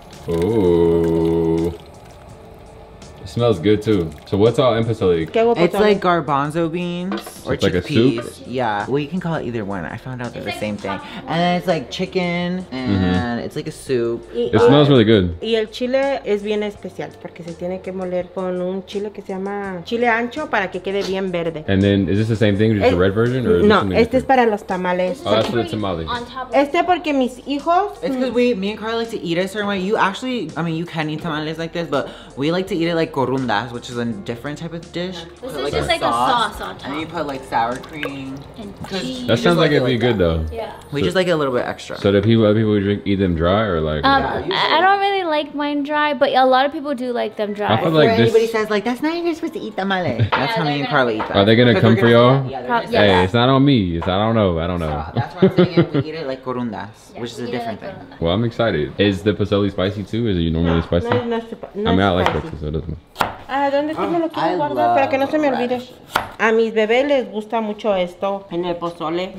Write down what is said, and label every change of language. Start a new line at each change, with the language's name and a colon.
English: Oh. It smells good too. So what's all in pozole? It's like garbanzo beans or like chickpeas. A soup? Yeah. Well, you can call it either one. I found out they're the same thing. And then it's like chicken and it's like a soup. It smells really good.
Spanish: Y el chile es bien especial porque se tiene que moler con un chile que se llama chile ancho para que quede bien verde.
English: And then is this the same thing, just the red version? Or
Spanish: no, este es para los tamales.
English: Oh, that's for the tamales.
Spanish: Este porque mis hijos.
English: It's because me and Carla like to eat it a certain way. You can eat tamales like this, but we like to eat it like corundas, which is a different type of dish. This put is like just a like sauce, a sauce on top. And then you put like sour cream. And cheese. That sounds like it'd be like good that. Though. Yeah. We just like it a little bit extra. So do other people drink eat them dry or like? I don't really like mine dry, but a lot of people do like them dry. Before like anybody this... says like, that's not how you're supposed to eat tamale. That's how me and Carla eat them. Are they going to come for y'all? Yeah, hey, it's not on me. I don't know. So, that's why I'm saying we eat it like corundas, which is a different thing. Well, I'm excited. Is the pozole spicy too? Is it normally spicy? No, I mean, I like it because it doesn't.
Spanish: ¿Dónde está lo que me guardo para que no se me olvide? A mis bebés les gusta mucho esto en el pozole.